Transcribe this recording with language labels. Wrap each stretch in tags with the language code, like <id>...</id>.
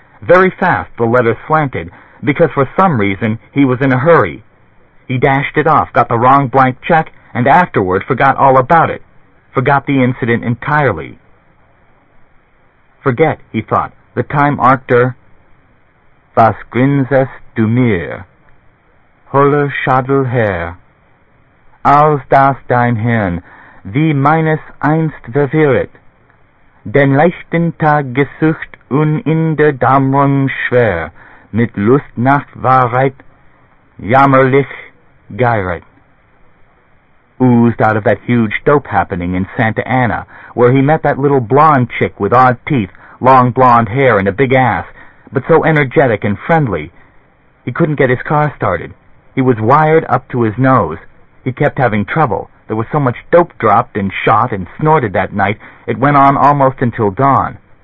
<en>Very fast the letter slanted, because for some reason he was in a hurry. He dashed it off, got the wrong blank check, and afterward forgot all about it. Forgot the incident entirely. Forget, he thought, the time Arctor...</en> <de>Was grinsest du mir, holer Schadel her, als das dein Hirn, wie meines einst verwirret, den leichten Tag gesucht und in der Dämmerung schwer, mit Lust nach Wahrheit, jammerlich geirret.</de> <en>Oozed out of that huge dope happening in Santa Ana, where he met that little blonde chick with odd teeth, long blonde hair and a big ass, but so energetic and friendly. He couldn't get his car started. He was wired up to his nose. He kept having trouble. There was so much dope dropped and shot and snorted that night, it went on almost until dawn.</en>